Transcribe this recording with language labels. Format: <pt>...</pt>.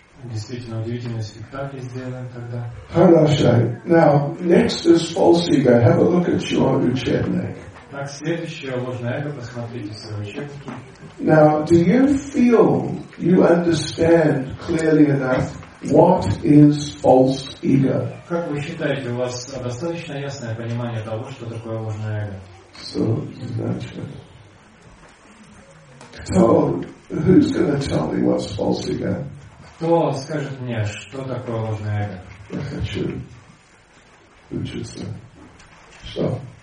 <ru>Действительно удивительный спектакль сделаем тогда. Хорошо.</ru> <en>Now, next is false ego. Have a look at your</en> <ru>учебник. Так, следующее ложное эго, посмотрите в свой учебник.</ru> <en>Now, do you feel you understand clearly enough what is false ego?</en> <ru>Как вы считаете, у вас достаточно ясное понимание того, что такое ложное эго? So, значит.</ru> <en>So, who's going to tell me what's false ego?</en> <ru>Кто скажет мне, что такое ложное эго? Я хочу учиться. Что?</ru>